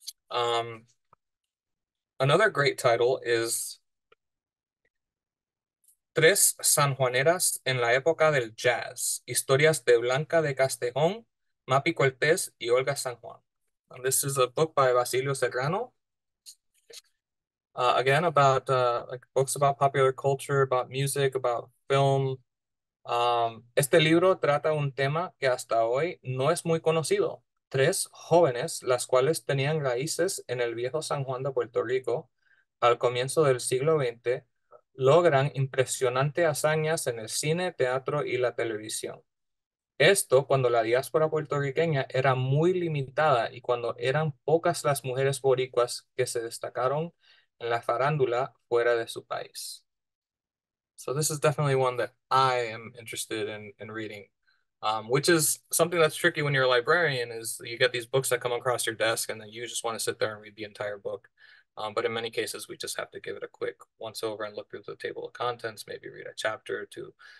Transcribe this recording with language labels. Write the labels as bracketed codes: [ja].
[en] Another great title is Tres Sanjuaneras en la Época del Jazz, Historias de Blanca de Castejón, Mapi Cortés y Olga San Juan. And this is a book by Basilio Serrano. Again, about like books about popular culture, about music, about film. [es] Este libro trata un tema que hasta hoy no es muy conocido. Tres jóvenes, las cuales tenían raíces en el viejo San Juan de Puerto Rico al comienzo del siglo XX, logran impresionantes hazañas en el cine, teatro y la televisión. Esto cuando la diáspora puertorriqueña era muy limitada y cuando eran pocas las mujeres boricuas que se destacaron en la farándula fuera de su país. [en] So this is definitely one that I am interested in reading, which is something that's tricky when you're a librarian, is you get these books that come across your desk and then you just want to sit there and read the entire book. But in many cases, we just have to give it a quick once over and look through the table of contents, maybe read a chapter or two.